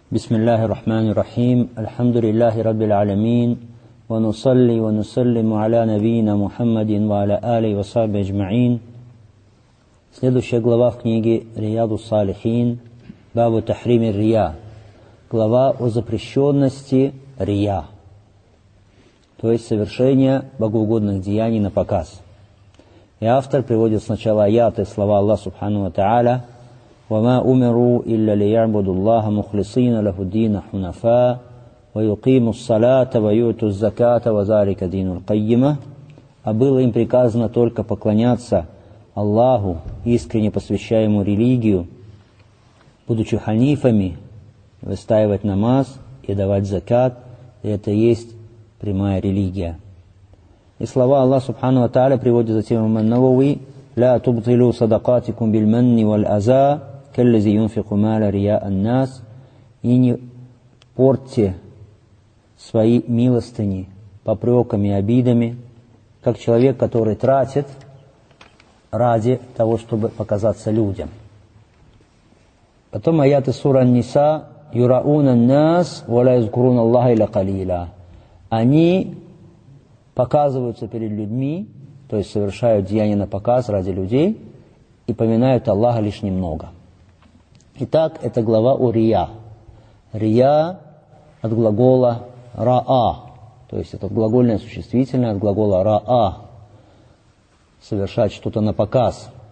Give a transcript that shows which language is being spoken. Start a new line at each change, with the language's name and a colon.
Arabic: بسم الله الرحمن الرحيم الحمد لله رب العالمين ونصلي ونسلم على نبينا محمد وعلى آله وصحبه أجمعين.
Russian: Следующая глава в книге Рияду Салихин, Бабу Тахрим Рия, глава о запрещенности Рия, то есть совершение богоугодных деяний на показ. И автор приводит сначала аяты, слова Аллаха Субхану Ва Тааля:
Arabic: وَمَا أُمِرُوا إِلَّا لِيَعْبُدُوا اللَّهَ مُخْلِصِينَ لَهُ الدِّينَ حُنَفَاءَ وَيُقِيمُوا الصَّلَاةَ وَيُؤْتُوا الزَّكَاةَ وَذَٰلِكَ دِينُ الْقَيِّمَةِ.
Russian: А было им приказано только поклоняться Аллаху, искренне посвящая ему религию, будучи ханифами, выстаивать намаз и давать закат, и это есть прямая религия. И слова Аллаха Субхану ва Тааля приводят затем имам ан-Навави:
Arabic: لَا تُبْطِلُوا صَدَقَاتِكُمْ بِالْمَنِّ وَالْأَذَى كَالَّذِي يُنْفِقُ مَالَ رِيَاءَ النَّاسِ.
Russian: И не портьте свои милостыни попреками и обидами, как человек, который тратит ради того, чтобы показаться людям. Потом аяты сура Ан-Ниса:
Arabic: يُرَعُونَ النَّاسِ وَلَا يَذْكُرُونَ اللَّهَ إِلَّا قَلِيلًا.
Russian: Они показываются перед людьми, то есть совершают деяния на показ ради людей и поминают Аллаха лишь немного. Итак, это глава о рия. Рия от глагола раа, то есть это глагольное существительное от глагола раа, совершать что-то на показ.